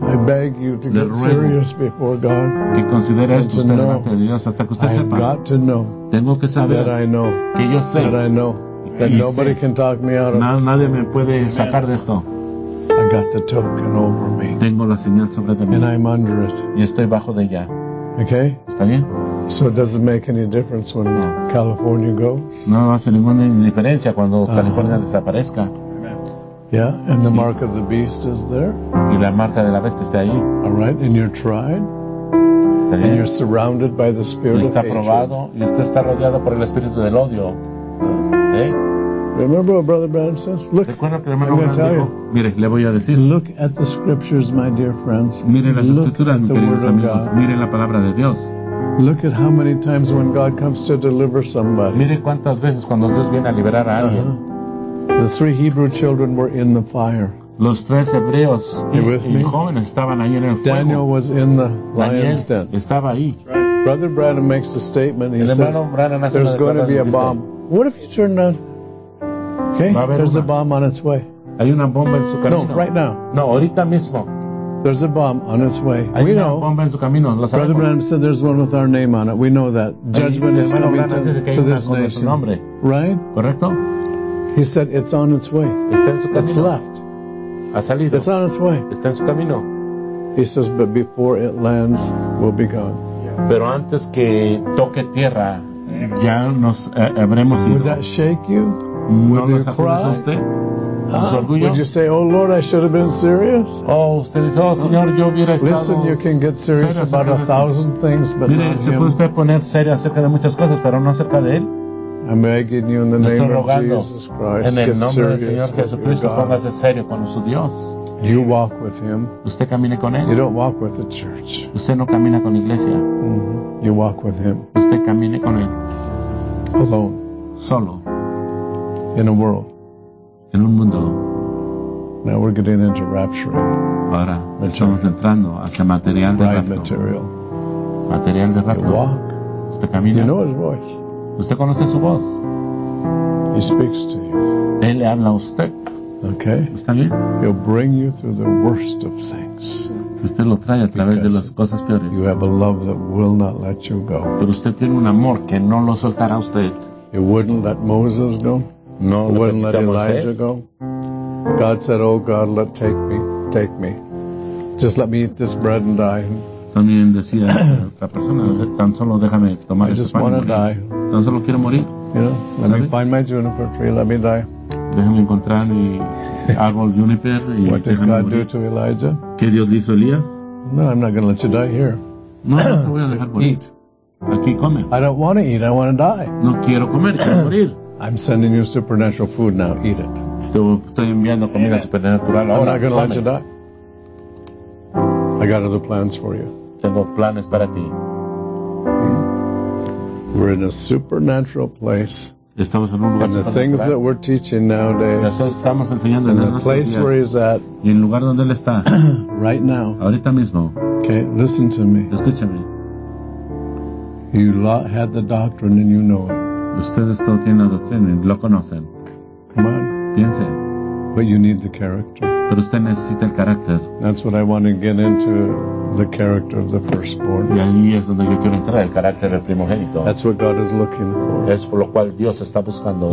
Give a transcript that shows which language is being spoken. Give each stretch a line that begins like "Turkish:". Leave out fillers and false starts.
English: I beg you to get serious before God.
Spanish: Que considere esto usted delante de Dios hasta que usted sepa.
English: I've got to know.
Spanish: Tengo que saber.
English: That I know.
Spanish: Que yo sé.
English: That I know. That nobody can talk me out of.
Spanish: Nadie me puede sacar de esto.
English: I got the token over me.
Spanish: Tengo la señal sobre de mí.
English: And I'm under it.
Spanish: Y estoy bajo de ella.
English: Okay.
Spanish: Está bien.
English: So it doesn't make any difference when California goes.
Spanish: No hace ninguna diferencia cuando California desaparezca.
English: Yeah, and the mark of the beast is there.
Spanish: Y la marca de la bestia está ahí.
English: All right, and you're tried.
Spanish: Está bien.
English: And you're surrounded by the spirit
Spanish: está probado,
English: of hatred.
Spanish: Y usted está rodeado por el espíritu del odio. ¿Eh?
English: Remember what Brother Branham says? Look, I'm going to tell you.
Spanish: Mire, le voy a decir.
English: Look at the scriptures, my dear friends.
Spanish: Mire las escrituras, mis queridos amigos. Mire la palabra de Dios.
English: Look at how many times when God comes to deliver somebody.
Spanish: Mire cuántas veces cuando Dios viene a liberar a alguien.
English: The three Hebrew children were in the fire.
Spanish: Los tres hebreos y jóvenes estaban ahí en el fuego.
English: Daniel was in the lion's den.
Spanish: Daniel estaba ahí.
English: Brother Branham makes a statement. He says, there's going to be a bomb. What if you turn down? Okay, there's a bomb on its way.
Spanish: Hay una bomba en su camino.
English: No, right now.
Spanish: No, ahorita mismo.
English: There's a bomb on its way.
Spanish: Hay
English: we know.
Spanish: Bomba en su camino. Lo sabemos.
English: Brother Branham said there's one with our name on it. We know that. Judgment is coming to this nation. Right?
Spanish: Correcto.
English: He said it's on its way.
Spanish: Está en su camino.
English: It's left.
Spanish: Ha salido.
English: It's on its way.
Spanish: Está en su camino.
English: He says, but before it lands, we'll be gone.
Spanish: Pero antes que toque tierra, ya nos habremos ido.
English: Would that shake you? Would you cry? Usted? Would you say, oh Lord, I should have been serious?
Spanish: Oh, usted dice, oh Señor, yo hubiera estado.
English: Listen, you can get serious about a thousand things, but
Spanish: mire,
English: not
Spanish: se puede usted poner serio acerca de muchas cosas, pero no acerca de él.
English: I'm begging you in the name of Jesus Christ.
Spanish: En el nombre del Señor Jesucristo, póngase serio con su Dios.
English: You walk with him.
Spanish: Usted camine con él.
English: You don't walk with the church.
Spanish: Usted no camina con iglesia.
English: You walk with him.
Spanish: Usted camine con él.
English: Alone.
Spanish: Solo.
English: In a world.
Spanish: En un mundo.
English: Now we're getting into rapturing.
Spanish: Ahora estamos entrando hacia material de rapto. Material de rapto.
English: Walk.
Spanish: Usted camina.
English: You know his voice.
Spanish: Usted conoce su voz.
English: He speaks to you.
Spanish: Él le habla a usted.
English: Okay.
Spanish: ¿Está bien?
English: He'll bring you through the worst of things.
Spanish: Usted lo trae a través de las cosas peores.
English: You have a love that will not let you go.
Spanish: Pero usted tiene un amor que no lo soltará usted.
English: You wouldn't let Moses go.
Spanish: No,
English: you wouldn't let Elijah go. God said, "Oh God, let take me, just let me eat this bread and die."
Spanish: También decía otra persona, tan solo déjame tomar este pan.
English: I just want to die.
Spanish: Tan solo quiero morir.
English: You know, let me find my juniper tree. Let me die.
Spanish: Déjame encontrar mi árbol juniper y
English: what did God do to Elijah?
Spanish: ¿Qué Dios hizo Elías?
English: No, I'm not going to let you die here.
Spanish: No, no te voy a dejar morir.
English: Eat.
Spanish: Aquí come.
English: I don't want to eat. I want to die.
Spanish: No quiero comer. Quiero morir.
English: I'm sending you supernatural food now. Eat it.
Spanish: Estoy enviando comida supernatural.
English: I'm not going to let you die. I got other plans for you.
Spanish: Tengo planes para ti.
English: We're in a supernatural place.
Spanish: Estamos en un lugar
English: and the things that we're teaching nowadays,
Spanish: estamos enseñando
English: and the place
Spanish: días,
English: where he's at,
Spanish: y el lugar donde él está,
English: right now,
Spanish: ahorita mismo.
English: Okay, listen to me.
Spanish: Escúchame.
English: You had the doctrine and you know it.
Spanish: Ustedes todos tienen la doctrina y lo conocen.
English: Come on.
Spanish: Piense.
English: But you need the character.
Spanish: Pero usted necesita el carácter.
English: That's what I want to get into. The character of the firstborn.
Spanish: Y ahí es donde yo quiero entrar, el carácter del primogénito.
English: That's what God is looking for.
Spanish: Es por lo cual Dios está buscando.